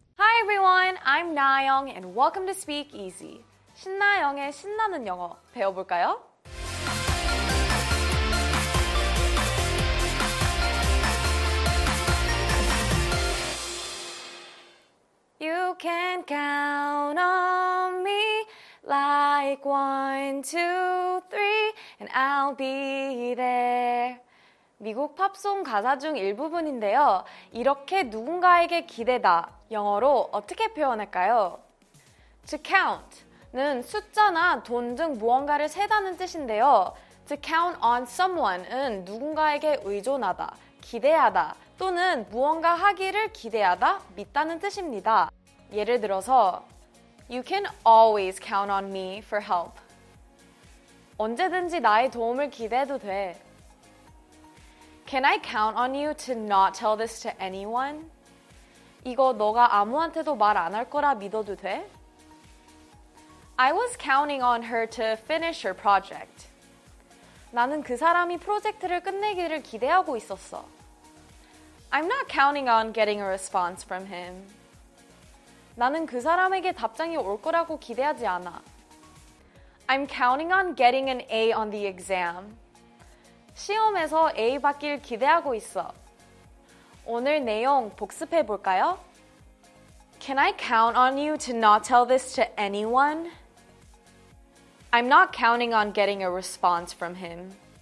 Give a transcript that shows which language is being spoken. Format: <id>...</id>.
<en>Hi everyone, I'm Nayoung and welcome to Speak Easy.</en> <ko>신나영의 신나는 영어 배워볼까요? 미국 팝송 가사 중 일부분인데요. 이렇게 누군가에게 기대다, 영어로 어떻게 표현할까요?</ko> <en>To count</en> <ko>는 숫자나 돈 등 무언가를 세다는 뜻인데요.</ko> <en>To count on someone</en> <ko>은 누군가에게 의존하다, 기대하다, 또는 무언가 하기를 기대하다, 믿다는 뜻입니다. 예를 들어서</ko> <en>You can always count on me for help.</en> <ko>언제든지 나의 도움을 기대해도 돼.</ko> <en>Can I count on you to not tell this to anyone?</en> <ko>이거 너가 아무한테도 말 안 할 거라 믿어도 돼?</ko> <en>I was counting on her to finish her project.</en> <ko>나는 그 사람이 프로젝트를 끝내기를 기대하고 있었어.</ko> <en>I'm not counting on getting a response from him.</en> <ko>나는 그 사람에게 답장이 올 거라고 기대하지 않아.</ko> <en>I'm counting on getting an A on the exam.</en> <ko>시험에서 A 받길 기대하고 있어. 오늘 내용 복습해 볼까요?</ko> <en>Can I count on you to not tell this to anyone? I'm not counting on getting a response from him.</en>